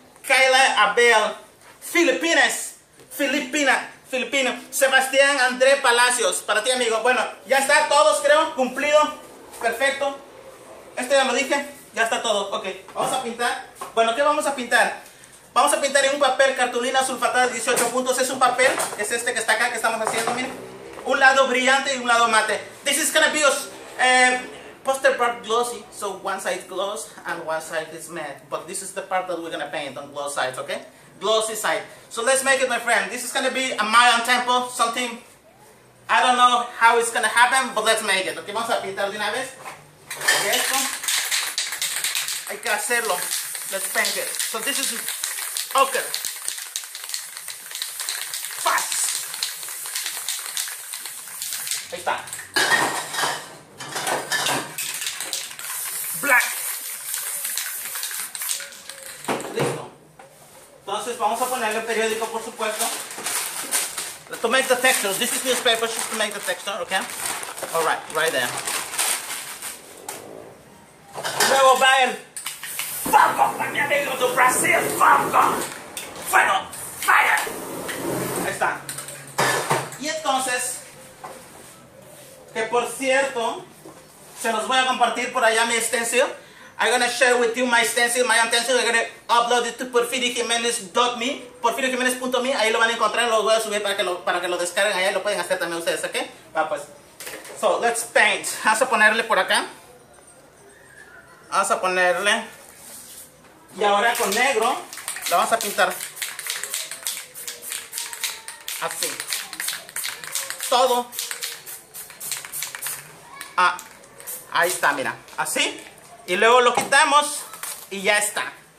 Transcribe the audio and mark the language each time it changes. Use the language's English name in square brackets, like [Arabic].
[Spanish] Kayla Abel, Filipina, Sebastián André Palacios, para ti, amigo. Bueno, ya está todos, creo, cumplido, perfecto. Esto ya lo dije. Ya está todo, ok. Vamos a pintar. Bueno, ¿qué vamos a pintar? Vamos a pintar en un papel cartulina sulfatada de 18 puntos. Es un papel, es este que está acá, que estamos haciendo, miren. Un lado brillante y un lado mate. [English] This is gonna be a poster part glossy. So one side gloss and one side is matte. But this is the part that we're gonna paint on gloss side, ok? Glossy side. So let's make it, my friend. This is gonna be a Mayan temple, something. I don't know how it's gonna happen, but let's make it, ok? [Spanish] Vamos a pintar de una vez. Ok, esto. Hay que hacerlo. [English] Let's paint it. So this is okay. Fast. [Spanish] Ahí está. [English] Black. [Spanish] Listo. Entonces vamos a ponerle periódico, por supuesto. [English] To make the texture. This is newspaper just to make the texture, okay? All right, right there. [Spanish] Luego va el fuego, mi amigo, de Brasil, fuego, fire. Ahí está. Y entonces, que por cierto, se los voy a compartir por allá mi stencil. [English] I'm gonna share with you my stencil, my intention. I'm gonna upload it to porfiriojimenez.me, porfiriojimenez.me. [Spanish] Ahí lo van a encontrar, lo voy a subir para que lo descarguen allá. Lo pueden hacer también ustedes, ¿ok? Va, pues. [English] So, let's paint. [Spanish] Vamos a ponerle por acá. Vamos a ponerle. Y ahora con negro, la vamos a pintar así, todo, ah, ahí está, mira, así, y luego lo quitamos y ya está.